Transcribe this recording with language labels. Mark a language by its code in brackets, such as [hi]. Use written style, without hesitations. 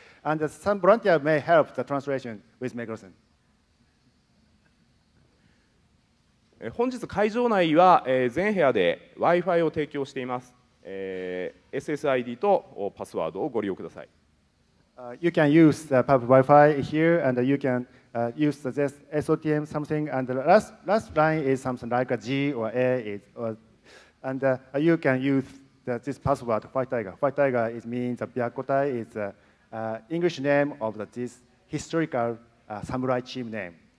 [en] And some volunteer may help the translation with Meguro-san. [ja] 本日会場内は全部屋で Wi-Fi を提供しています。 SSID とパスワードをご利用ください。 [en] You can use the public Wi-Fi here, and you can use the SOTM something, and the last line is something like a G or A, and you can use this password, White Tiger. White Tiger is means Byakkotai is the English name of this historical samurai team name.